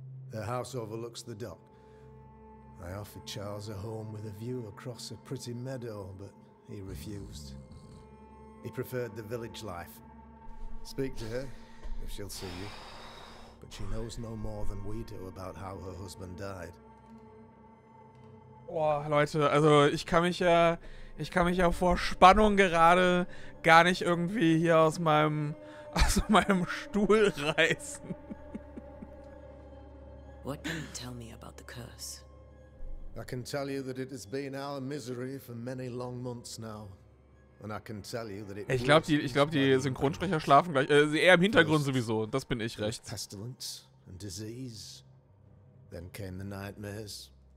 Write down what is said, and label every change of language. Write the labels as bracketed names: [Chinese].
[English] Their house overlooks the dock. I offered Charles a home with a view across a pretty meadow, but he refused. He preferred the village life. Speak to her, if she'll see you. But she knows no more than we do about how her husband died. [German] Boah, Leute, also ich kann mich ja vor Spannung gerade gar nicht irgendwie hier aus meinem Stuhl reißen. [English] What can you tell me about the curse? I can tell you that it has been our misery for many long months now. And I can tell you that it [German] was... Ich glaube, die Synchronsprecher schlafen gleich. Eher im Hintergrund sowieso. Das bin ich recht. [English] Pestilence and disease. Then came the nightmares.